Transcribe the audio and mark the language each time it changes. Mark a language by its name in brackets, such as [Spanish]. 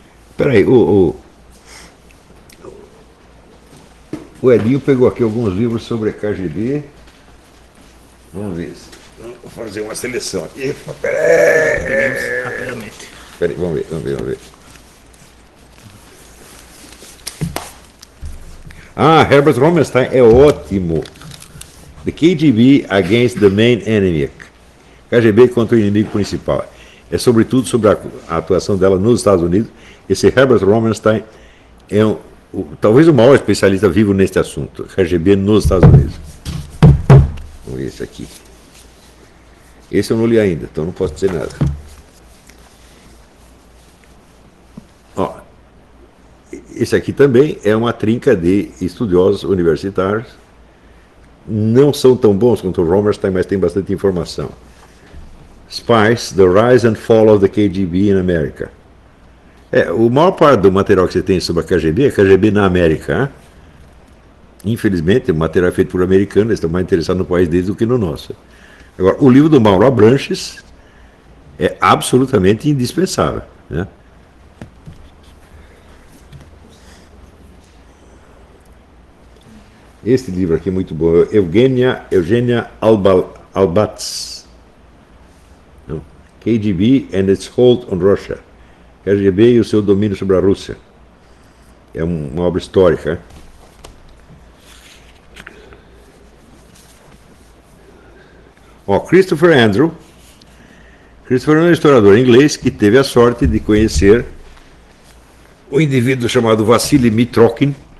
[Portuguese] Espera aí, o Edinho pegou aqui alguns livros sobre a KGB. Vamos ver. Vou fazer uma seleção aqui. Rapidamente. Peraí, vamos ver, vamos ver, vamos ver. Ah, Herbert Rommelstein é ótimo. [English] The KGB against the main enemy. [Portuguese] KGB contra o inimigo principal. É sobretudo sobre a atuação dela nos Estados Unidos. Esse Herbert Rommelstein é talvez o maior especialista vivo neste assunto. KGB nos Estados Unidos. Vamos ver esse aqui. Esse eu não li ainda, então não posso dizer nada. Ó, esse aqui também é uma trinca de estudiosos universitários. Não são tão bons quanto o Rommelstein, mas tem bastante informação. [English] Spies, The Rise and Fall of the KGB in America. [Portuguese] É, o maior parte do material que você tem sobre a KGB é KGB na América. Hein? Infelizmente, o material é feito por americanos, eles estão mais interessados no país deles do que no nosso. Agora, o livro do Mauro Abranches é absolutamente indispensável. Né? Este livro aqui é muito bom, Eugenia Albats. [English] KGB and its hold on Russia. [Portuguese] KGB e o seu domínio sobre a Rússia. É uma obra histórica. Ó, Christopher Andrew. Christopher é um historiador inglês que teve a sorte de conhecer o indivíduo chamado Vasily Mitrokhin.